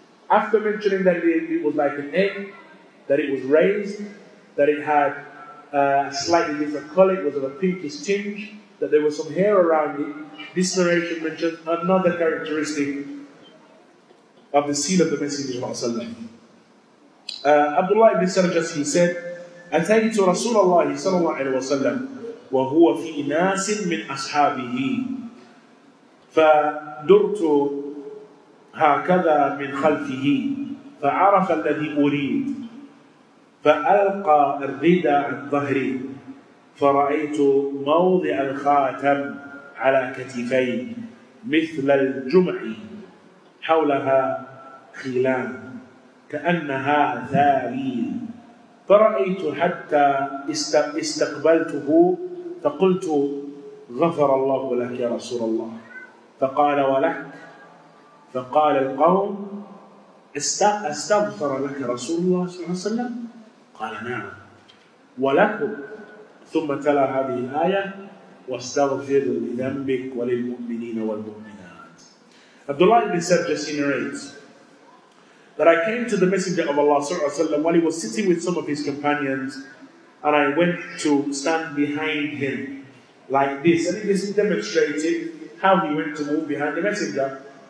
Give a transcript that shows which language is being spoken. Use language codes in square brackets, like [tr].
[en] After mentioning that it was like an egg, that it was raised, that it had a slightly different color, it was of a pinkish tinge, that there was some hair around it, this narration mentions another characteristic of the seal of the Messenger of Allah. [ar] Abdullah ibn Sarjas, [en] he said, [ar] أتيت رسول الله صلى الله عليه وسلم وهو في ناس من أصحابه فدرت هكذا من خلفه فعرف الذي أريد فألقى الرداء عن ظهري فرأيت موضع الخاتم على كتفين مثل الجمح حولها خيلان كأنها ثاليل فرأيت حتى استقبلته فقلت غفر الله لك يا رسول الله فقال ولك فقال القوم استغفر لك رسول الله صلى الله عليه وسلم قال نعم ولكم ثم تلا هذه الآية واستغفر لذنبك وللمؤمنين والمؤمنات. [en] Abdullah ibn Sarjas narrates that I came to the Messenger of Allah sallallahu alaihi wasallam while he was sitting with some of his companions, and I went to stand behind him like this. And this demonstrated how he went to move behind the Messenger.